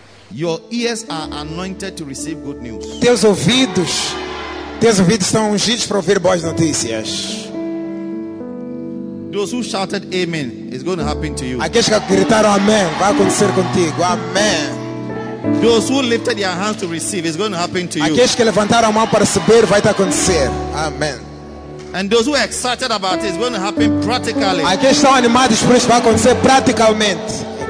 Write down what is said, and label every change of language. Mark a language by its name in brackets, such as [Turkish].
[English] Your ears are anointed to receive good news. [Portuguese] Teus ouvidos estão ungidos para ouvir boas notícias. [English] Those who shouted amen, it's going to happen to you. [Portuguese] Aqueles que gritaram amém, vai acontecer contigo. Amém. [English] Those who lifted their hands to receive, it's going to happen to you. [Portuguese] Aqueles que levantaram a mão para receber, vai acontecer. Amém. [English] And those who are excited about it, it's going to happen practically. [Portuguese] Aqueles que estão animados por isso, vai acontecer praticamente.